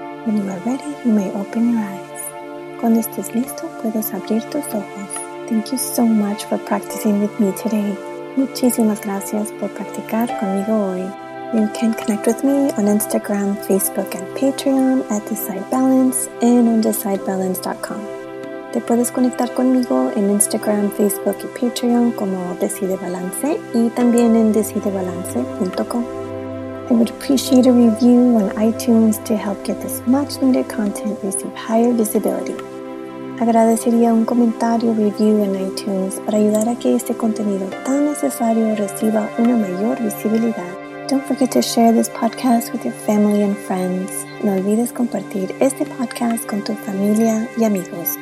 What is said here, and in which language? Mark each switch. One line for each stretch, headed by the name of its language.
English: When you are ready, you may open your eyes.
Spanish: Cuando estés listo, puedes abrir tus ojos.
English: Thank you so much for practicing with me today.
Spanish: Muchísimas gracias por practicar conmigo hoy.
English: You can connect with me on Instagram, Facebook, and Patreon at Decide Balance and on DecideBalance.com.
Spanish: Te puedes conectar conmigo en Instagram, Facebook, y Patreon como Decide Balance y también en DecideBalance.com.
English: I would appreciate a review on iTunes to help get this much-needed content receive higher visibility.
Spanish: Agradecería un comentario, review en iTunes para ayudar a que este contenido tan necesario reciba una mayor visibilidad.
English: Don't forget to share this podcast with your family and friends.
Spanish: No olvides compartir este podcast con tu familia y amigos.